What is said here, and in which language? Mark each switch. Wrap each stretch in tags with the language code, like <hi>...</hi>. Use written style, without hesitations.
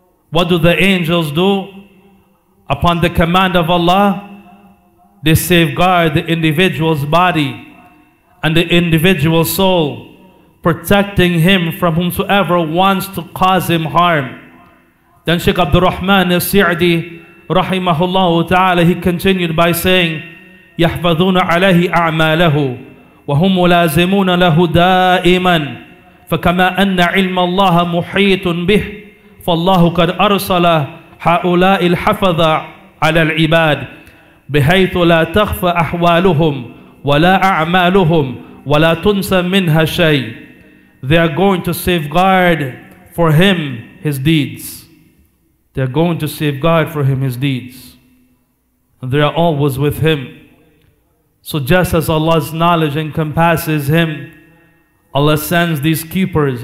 <en>What do the angels do? Upon the command of Allah, they safeguard the individual's body and the individual's soul, protecting him from whomsoever wants to cause him harm. Then Shaykh Abdul Rahman al-Si'di rahimahullah ta'ala, he continued by saying,</en> <ar>يَحْفَظُونَ عَلَيْهِ أَعْمَالَهُ وَهُمْ مُلَازِمُونَ لَهُ دَائِمًا فَكَمَا أَنَّ عِلْمَ اللَّهَ مُحِيطٌ بِهِ فَاللَّهُ قَدْ أَرْسَلَ هَؤُلَاءِ الْحَفَظَ عَلَى الْعِبَادِ بِحَيْثُ لَا تَخْفَى أَحْوَالُهُمْ وَلَا أَعْمَالُهُمْ وَلَا تُنْسَى مِنْهَا شَيْءٌ.</ar> <en>They are going to safeguard for him his deeds. They are going to safeguard for him his deeds. And they are always with him. So just as Allah's knowledge encompasses him, Allah sends these keepers.</en>